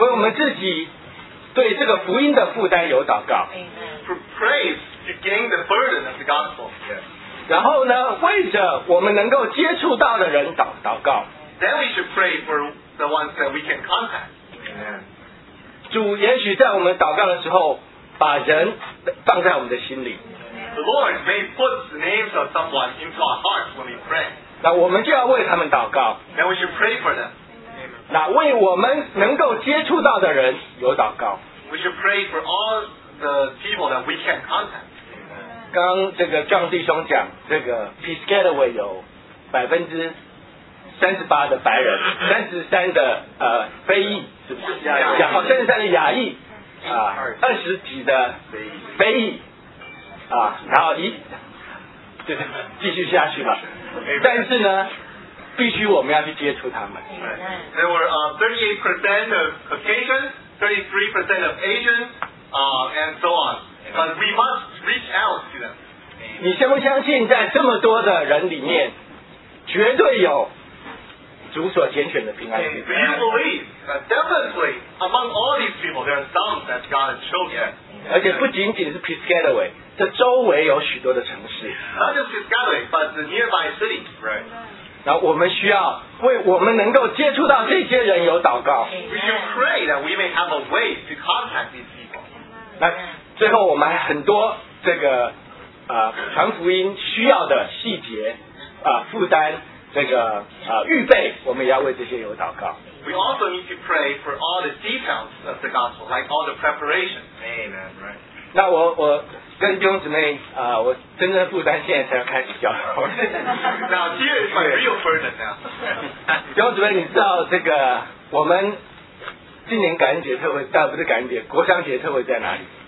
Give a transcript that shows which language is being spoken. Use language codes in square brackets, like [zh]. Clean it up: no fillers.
[zh] 为我们自己对这个福音的负担有祷告。Amen. [en] Pray to gain the burden of the gospel. Yes. [zh] 然后呢, 为着我们能够接触到的人, [en] then we should pray for the ones that we can contact. Amen. [zh] 主也许在我们祷告的时候, [en] the Lord may put the names of someone into our hearts when we pray. [zh] 那我们就要为他们祷告, [en] then we should pray for them. [zh] 那为我们能够接触到的人, [en] we should pray for all the people that we can contact. [zh] 刚这个壮弟兄讲，这个Peace Getaway有38%的白人，33%的非裔，是不是？好，33%的亚裔，20%几的非裔，然后继续下去吧。但是呢，必须我们要去接触他们。There [en] were 38% of Caucasian, 33% of Asian, and so on. But we must reach out to them. [zh] 你相不相信在这么多的人里面, 绝对有主所拣选的平安。 [en] Do you believe that definitely among all these people there are some that God has chosen? [zh] 而且不仅仅是Peace Getaway, 这周围有许多的城市。 [en] Not just Peace Getaway, but the nearby cities. Right. [zh] 然后我们需要为我们能够接触到这些人有祷告。 [en] We should pray that we may have a way to contact these people. [zh] 那最后我们还很多这个 传福音需要的细节、负担、预备，我们也要为这些有祷告。 [en] We also need to pray for all the details of the gospel, like all the preparation. Amen. Right. [zh] 那我跟弟兄姊妹，我真正负担现在才要开始教导。 [en] Now, here is my real burden now. [zh] 弟兄姊妹，你知道这个我们今年感恩节特会，但不是感恩节，国殇节特会在哪里？